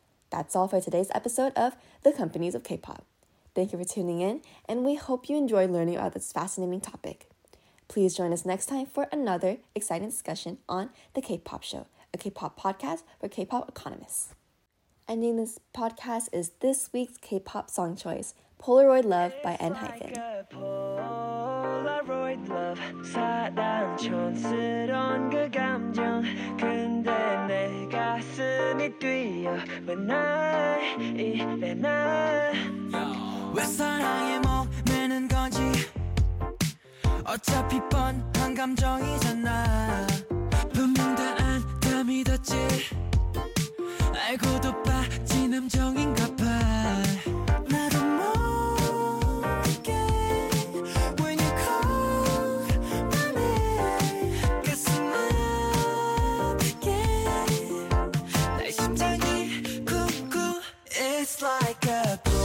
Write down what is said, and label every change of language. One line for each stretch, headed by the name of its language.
English: That's all for today's episode of The Companies of K-pop. Thank you for tuning in, and we hope you enjoy learning about this fascinating topic. Please join us next time for another exciting discussion on The K-pop Show, a K-pop podcast for K-pop economists. Ending this podcast is this week's K-pop song choice, Polaroid Love by ENHYPEN. Like Polaroid Love,
Korean: 사랑 촌스러운 그 감정. 근데 내 가슴이 뛰어, 왜 날 이래 날. 왜 사랑에 머무는 거지? 어차피 뻔한 감정이잖아. 분명 다 안다 믿었지. 알고도 빠진 음정인가 봐. 나도 모르게
English: When you call my name
Korean: 가슴 아프게 내 심장이 쿵쿵
English: It's like a